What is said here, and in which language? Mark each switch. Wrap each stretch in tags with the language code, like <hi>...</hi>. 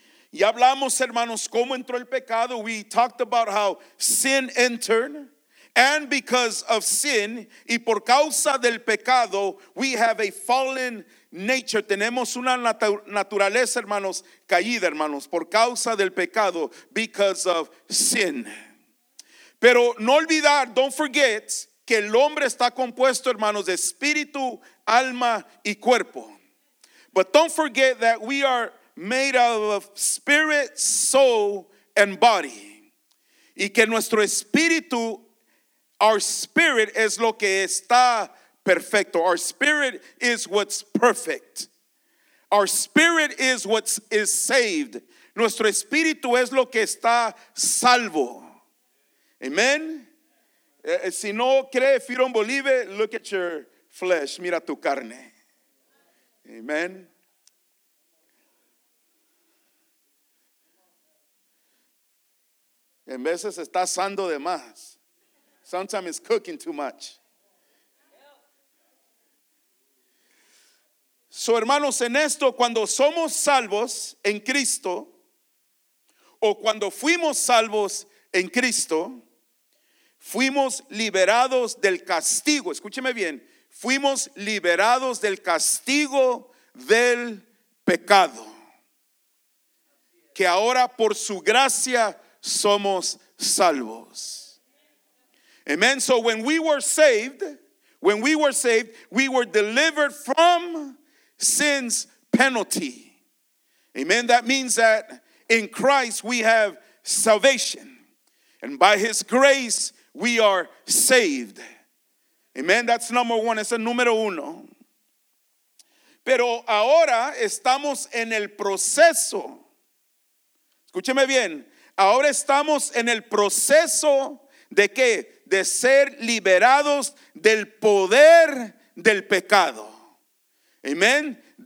<es>Y hablamos, hermanos, cómo entró el pecado.</es> <en>We talked about how sin entered. And because of sin,</en> <es>y por causa del pecado,</es> <en>we have a fallen nature.</en> <es>Tenemos una naturaleza, hermanos, caída, hermanos, por causa del pecado,</es> <en>because of sin.</en> <es>Pero no olvidar,</es> <en>don't forget,</en> <es>que el hombre está compuesto, hermanos, de espíritu, alma y cuerpo.</es> <en>But don't forget that we are made out of spirit, soul, and body.</en> <es>Y que nuestro espíritu,</es> <en>our spirit,</en> <es>es lo que está perfecto.</es> <en>Our spirit is what's perfect. Our spirit is what is saved.</en> <es>Nuestro espíritu es lo que está salvo.</es> <en>Amen.</en> <es>Si no cree,</es> <en>if you don't believe it, look at your flesh.</en> <es>Mira tu carne. Amen. En veces está asando de más.</es> <en>Sometimes it's cooking too much.</en> <es>So, hermanos, en esto, cuando somos salvos en Cristo, o cuando fuimos salvos en Cristo, fuimos liberados del castigo. Escúcheme bien. Fuimos liberados del castigo del pecado. Que ahora por su gracia somos salvos.</es> <en>Amen. So when we were saved, we were delivered from sin's penalty. Amen. That means that in Christ we have salvation. And by his grace we are saved. Amen. That's number one.</en> <es>Es el número uno. Pero ahora estamos en el proceso. Escúcheme bien. Ahora estamos en el proceso de qué? De ser liberados del poder del pecado. Amén.</es>